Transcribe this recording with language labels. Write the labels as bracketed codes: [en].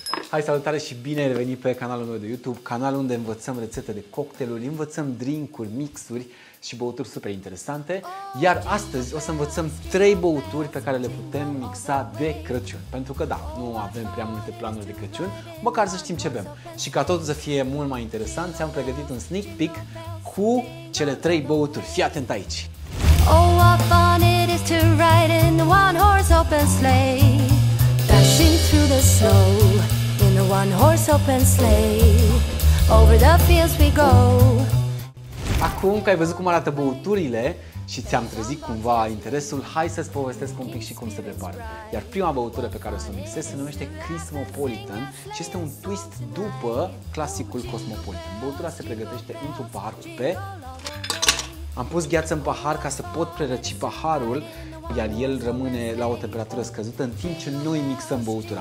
[ro] Hai, salutare și bine ai revenit pe canalul meu de YouTube, canal unde învățăm rețete de cocktailuri, învățăm drink-uri, mix-uri și băuturi super interesante. Iar astăzi o să învățăm 3 băuturi pe care le putem mixa de Crăciun. Pentru că da, nu avem prea multe planuri de Crăciun, măcar să știm ce bem. Și ca tot să fie mult mai interesant, ți-am pregătit un sneak peek cu cele 3 băuturi. Fii atent aici! [en] Oh, what fun it is to ride in one horse open sleigh, dashing through the snow. One horse open sleigh, over the fields we go. [ro] Acum că ai văzut cum arată băuturile și ți-am trezit cumva interesul, hai să-ți povestesc un pic și cum se prepară. Iar prima băutură pe care o să o mixez se numește Cosmopolitan și este un twist după clasicul Cosmopolitan. Băutura se pregătește într-un pahar cu pe. Am pus gheață în pahar ca să pot prerăci paharul, iar el rămâne la o temperatură scăzută în timp ce noi mixăm băutura.